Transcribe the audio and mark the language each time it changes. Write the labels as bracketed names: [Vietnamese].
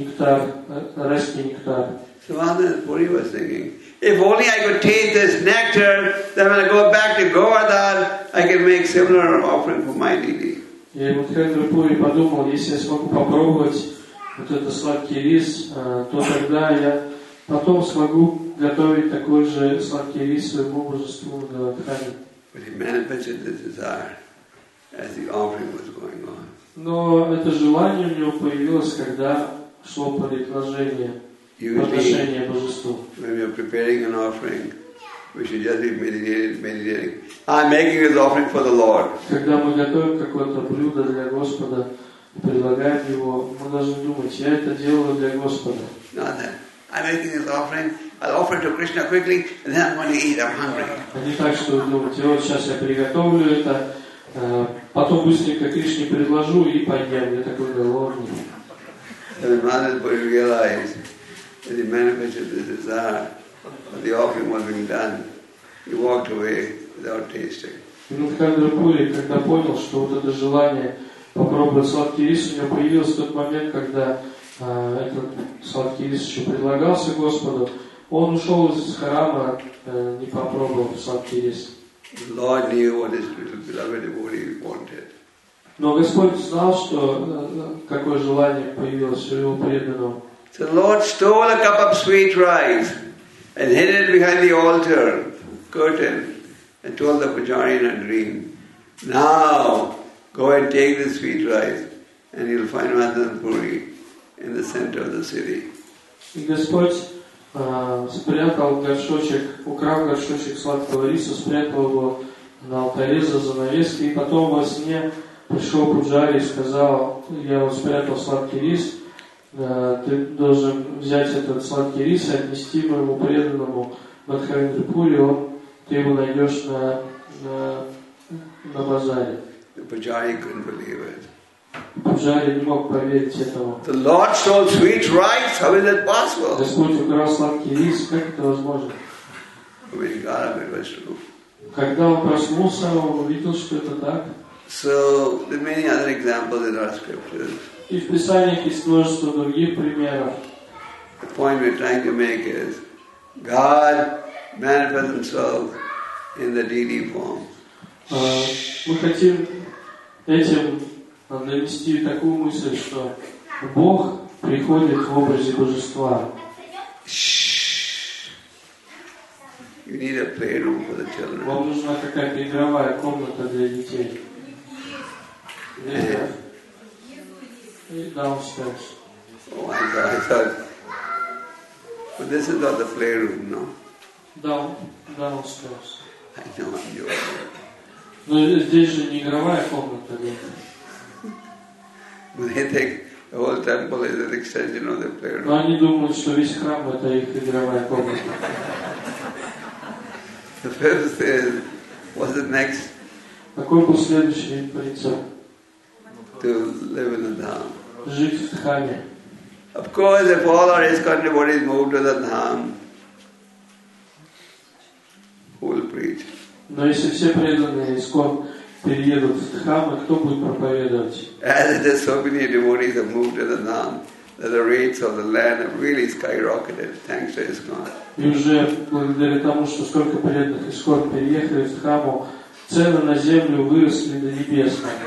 [Russian] нектар, райский нектар. [English] So Mahaprabhu was thinking, if only I could taste this nectar, then when I go back to Govardhan, I can make similar offering for my deity. [Russian] И Мадхавендра Пури подумал, если я смогу попробовать вот этот сладкий рис, то тогда я потом смогу готовить такой же сладкий рис своему божеству Говардхане. [English] But he manifested the desire as the offering was going on. [Russian] Но это желание у него появилось, когда шло предложение, подношение божеству. [English] When you're preparing an offering, we should just be meditating. I'm making this offering for the Lord. [Russian] Когда мы готовим какое-то блюдо для Господа, предлагаем его, мы должны думать, я это делаю для Господа. [English] Not that. I'm making this offering. I'll offer it to Krishna quickly, and then I'm going to eat. I'm hungry. [Russian] А не так, что думать, вот сейчас я приготовлю это, потом быстренько Кришне предложу и подъем, я такой голодный. [English] And the Mahaprabhu realized that he manifested the desire of the offering was being done. He walked away without tasting. [Russian] Мадхавендра Пури, когда понял, что вот это желание попробовать сладкий рис, у него появилось в тот момент, когда этот сладкий рис еще предлагался Господу, он ушел из храма, не попробовал сладкий рис. [English] The Lord knew what his little beloved devotee wanted. [Russian] Но Господь знал, что какое желание появилось у его преданного. [English] The Lord stole a cup of sweet rice and hid it behind the altar curtain and told the pujari in a dream, "Now go and take this sweet rice, and you'll find Mahaprabhu in the center of the city." [Russian] И Господь спрятал горшочек, украл горшочек сладкого риса, спрятал его на алтаре за занавеской, и потом во сне пришел пуджари и сказал, я вот спрятал сладкий рис, ты должен взять этот сладкий рис и отнести моему преданному Мадхавендра Пури, ты его найдешь на базаре. [English] Пуджари couldn't believe it. [Russian] Пуджари не мог поверить этому. [English] The Lord stole sweet rice. How is that possible? [Russian] Господь украл сладкий рис. Как это возможно? [English] When he got up, it was true. [Russian] Когда он проснулся, он увидел, что это так. [English] So there are many other examples in our scriptures. [Russian] И в Писаниях есть множество других примеров. [English] The point we're trying to make is God manifests Himself in the deity form. [Russian] Мы хотим этим донести такую мысль, что Бог приходит в образе божества. [English] You need a playroom for the children. [Russian] Вам нужна какая-то игровая комната для детей. [English] Downstairs. Oh, I thought. But this is not the playroom, no? Downstairs. I know I'm yours. [Russian] Но здесь же не игровая комната, нет. [English] They think the whole temple is an extension of the prayer. [Russian] Но они думают, что весь храм это их игровая комната. [English] The first is, what's the next? [Russian] Какой был следующий принцип? [English] To live in the dham. [Russian] Жить в дхаме. [English] Of course, if all our ISKCON devotees move to the dham, who will preach? [Russian] Но если все преданные ISKCON переедут в Дхаму, кто будет проповедовать? [English] As it is, so many devotees have moved to the Dham. that the rates of the land have really skyrocketed, thanks to ISKCON. [Russian] И уже благодаря тому, что столько преданных ИСККОН переехали в храму, цены на землю выросли до небес.